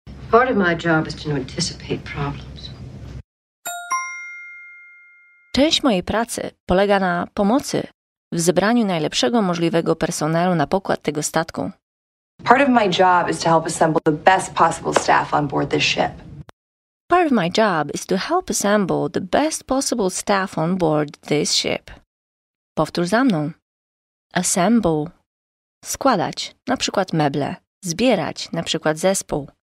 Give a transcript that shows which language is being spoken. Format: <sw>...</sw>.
<en>Part of my job is to anticipate problems.</en> <pl>Część mojej pracy polega na pomocy w zebraniu najlepszego możliwego personelu na pokład tego statku.</pl> <en>Part of my job is to help assemble the best possible staff on board this ship. Part of my job is to help assemble the best possible staff on board this ship.</en> <pl>Powtórz za mną. Assemble. Składać, na przykład meble. Zbierać, na przykład zespół.</pl>